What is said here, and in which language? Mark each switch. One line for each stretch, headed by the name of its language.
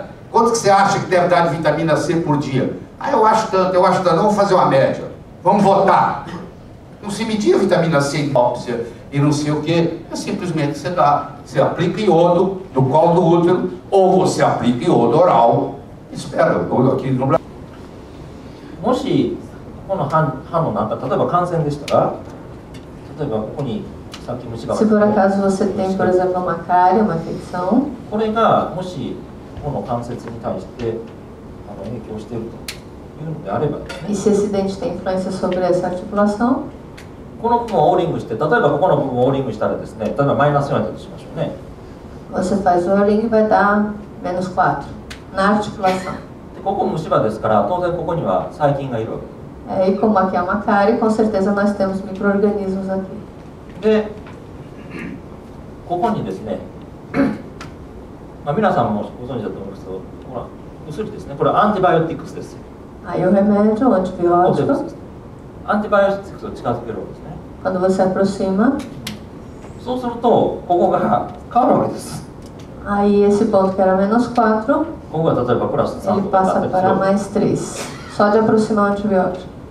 Portuguese: quanto que você acha que deve dar de vitamina C por dia? Ah, eu acho tanto, eu acho tanto. Vamos fazer uma média. Vamos votar. Não se media vitamina C em hipóxia e não sei o quê. É simplesmente você dá. Você aplica iodo no colo do útero ou você aplica iodo oral. Espera, eu aqui no Brasil.
Japanese: もしこの 歯の中、例えば感染でしたら、例えばここにさっき虫が入ってた。
Portuguese: Se por acaso você tem, por exemplo, uma cárie, uma infecção。
Japanese: これがもしこの関節に対して影響しているというのであればですね。
Portuguese: E se esse dente tem influência sobre essa articulação?
Japanese: この部分をオーリングして、例えばここの部分をオーリングしたらですね、例えばマイナス4だとしましょうね。
Portuguese: Você faz o O-ring e vai dar menos 4 na articulação。
Japanese: ここ虫歯ですから当然ここには細菌がいる。
Portuguese: え、e como aqui é uma cárie, com certeza nós temos microorganismos aqui。
Japanese: で、ここにですね、まあ皆さんもご存知だと思いますけど、ほら、薬ですね。これはアンティバイオティクスです。あ、いうメメージョ、アンティバイオティクス。アンティバイオティクスを近づけるわけですね。
Portuguese: Quando você aproxima、
Japanese: そうするとここが変わるわけです。
Portuguese: Aí esse ponto que era menos 4, ele passa para mais 3, só de aproximar o antibiótico.